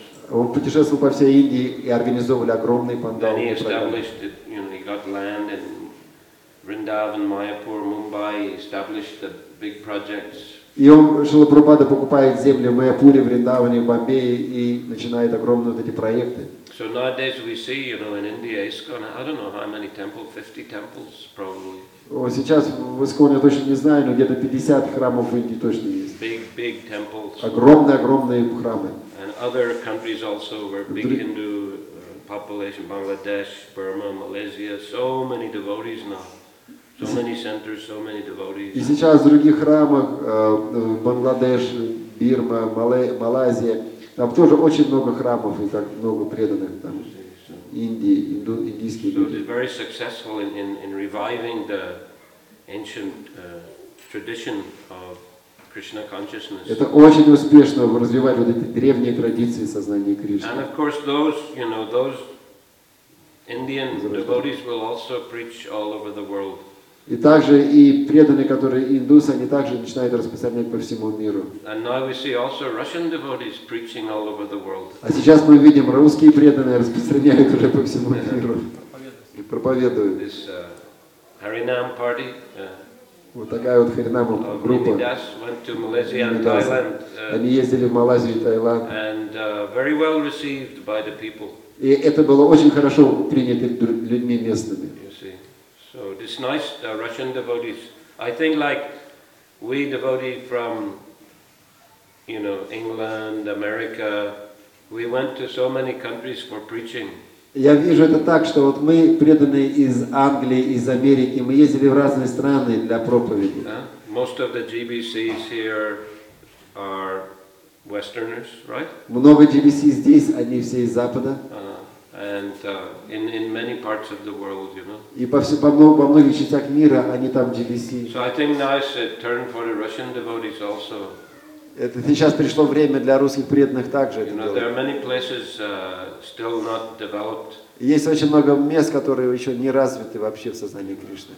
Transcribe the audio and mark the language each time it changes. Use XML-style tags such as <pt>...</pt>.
<ru>Он путешествовал по всей Индии и организовывали огромные пандалы.</ru> <en>Then he established, you know, he got land in Vrindavan, Mayapur, Mumbai, he established the big projects.</en> <ru>И он, Шрила Прабхупада, покупает земли в Майяпуре, в Вриндаване, в Бомбее и начинает огромные вот эти проекты.</ru> <en>So nowadays we see, you know, in India, ISKCON, I don't know how many temples, 50 temples probably.</en> <ru>Вот сейчас в ИСКОН я точно не знаю, но где-то 50 храмов в Индии точно есть.</ru> <en>Big, big temples.</en> <ru>Огромные-огромные храмы.</ru> <en>And other countries also where big Hindu population, Bangladesh, Burma, Malaysia, so many devotees now. So many centers, so many devotees.</en> <ru>И сейчас в других храмах, в Бангладеш, Бирма, Малайзия, там тоже очень много храмов и так много преданных там. Индии, индийские люди.</ru> <en>So they're very successful in reviving the ancient tradition of Krishna consciousness.</en> <ru>Это очень успешно развивать вот эти древние традиции сознания Кришны.</ru> <en>And of course those, you know, those Indian devotees will also preach all over the world.</en> <ru>И также и преданные, которые индусы, они также начинают распространять по всему миру.</ru> <en>And now we see also Russian devotees preaching all over the world.</en> <ru>А сейчас мы видим, русские преданные распространяют уже по всему миру. И проповедуют.</ru> <en>This Харинам party.</en> <ru>Вот такая вот Харинам группа.</ru> <en>Went to Malaysia and Thailand.</en> <ru>Они ездили в Малайзию и Таиланд.</ru> <en>And very well received by the people.</en> <ru>И это было очень хорошо принято людьми местными.</ru> <en>So this nice Russian devotees. I think like we devotees from, you know, England, America, we went to so many countries for preaching.</en> <ru>Я вижу это так, что вот мы преданные из Англии, из Америки, мы ездили в разные страны для проповеди.</ru> <en>Most of the GBCs here are Westerners, right?</en> <ru>Много GBC здесь, они все из Запада.</ru> <en>And in many parts of the world, you know.</en> <ru>И по многих частях мира они там GBC.</ru> <en>So I think now it's a turn for the Russian devotees also.</en> <ru>Это сейчас пришло время для русских преданных также.</ru> <en>You know, there are many places still not developed.</en> <ru>Есть очень много мест, которые еще не развиты вообще в сознании Кришны.</ru>